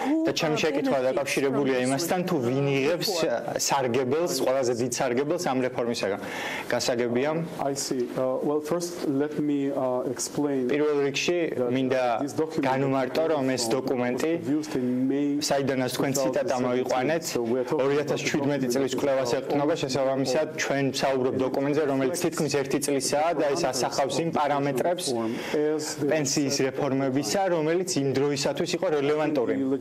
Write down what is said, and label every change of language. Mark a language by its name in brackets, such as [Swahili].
[Georgian] და ჩემი შეკითხვა დაკავშირებულია იმასთან, თუ ვინ იღებს სარგებელს, ყველაზე დიდ სარგებელს ამ რეფორმისაგან. გასაგებია? [English] Well first let me explain [Georgian] პირველ რიგში მინდა განმარტო რომ ეს დოკუმენტი საიდანაც თქვენ ციტატა მოიყვანეთ 2017 წლის კვლევას ეყრდნობა შესაბამისად ჩვენ საუბრობ დოკუმენტზე რომელიც თითქმის 1 წლისაა და ეს ასახავს იმ პარამეტრებს პენსიის რეფორმებისა რომელიც იმ დროისათვის იყო რელევანტური